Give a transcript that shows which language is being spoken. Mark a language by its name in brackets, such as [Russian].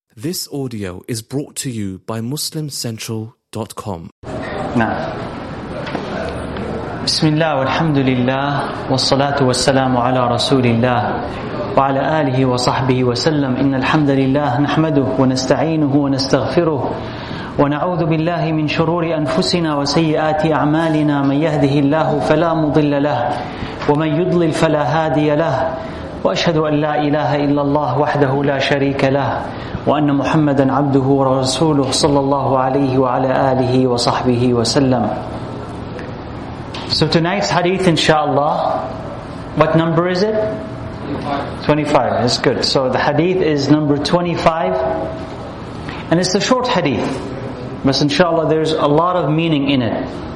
[English] This audio is brought to you by MuslimCentral.com. [Arabic] نعم. بسم الله والحمد لله والصلاة والسلام على رسول الله وعلى آله وصحبه وسلم إن الحمد لله نحمده ونستعينه ونستغفره ونعوذ بالله من شرور أنفسنا وسيئات أعمالنا من يهده الله فلا مضل له ومن يضلل فلا هادي له وأشهد أن لا إله إلا الله وحده لا شريك له وأن محمدا عبده ورسوله صلى الله عليه وعلى آله وصحبه وسلم. [English] So tonight's hadith inshallah, what number is it? 25, that's good. So the hadith is number 25 and it's a short hadith, but inshallah there's a lot of meaning in it.